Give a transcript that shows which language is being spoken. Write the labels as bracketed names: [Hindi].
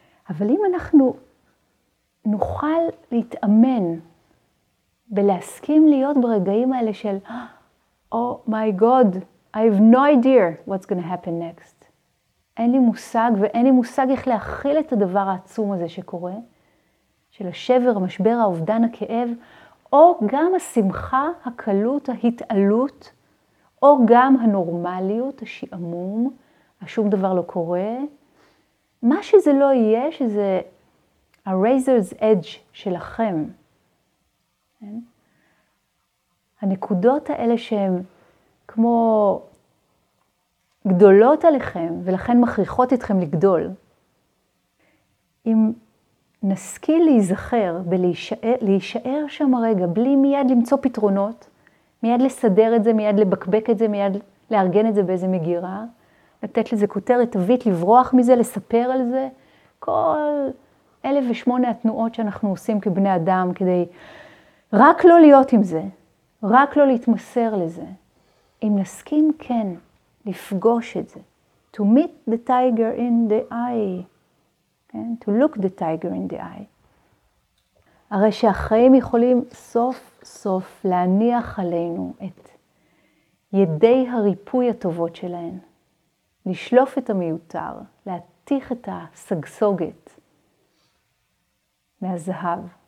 [Hebrew] אבל אם אנחנו נוכל להתאמן ולהסכים להיות ברגעים האלה של [English] Oh my God, I have no idea what's going to happen next. [Hebrew] אין לי מושג ואין לי מושג איך להכיל את הדבר העצום הזה שקורה, של השבר, המשבר, האובדן, הכאב, או גם השמחה, הקלות, ההתעלות, או גם הנורמליות, השעמום, השום דבר לא קורה. מה שזה לא יהיה, שזה ה-razor's edge שלכם. הנקודות האלה שהן כמו גדולות עליכם, ולכן מכריחות אתכם לגדול. אם נשכיל להיזכר ולהישאר שם רגע, בלי מיד למצוא פתרונות, מיד לסדר את זה, מיד לבקבק את זה, מיד לארגן את זה באיזה מגירה, לתת לזה כותרת אבית, לברוח מזה, לספר על זה, כל 1008 התנועות שאנחנו עושים כבני אדם, כדי רק לא להיות עם זה, רק לא להתמסר לזה. אם נסכים, כן. לפגוש את זה. [English] To meet the tiger in the eye. [Hebrew] כן? [English] To look the tiger in the eye. [Hebrew] הרי שהחיים יכולים סוף סוף להניח עלינו את ידי הריפוי הטובות שלהן. לשלוף את המיותר. להתיך את הסגסוגת מהזהב.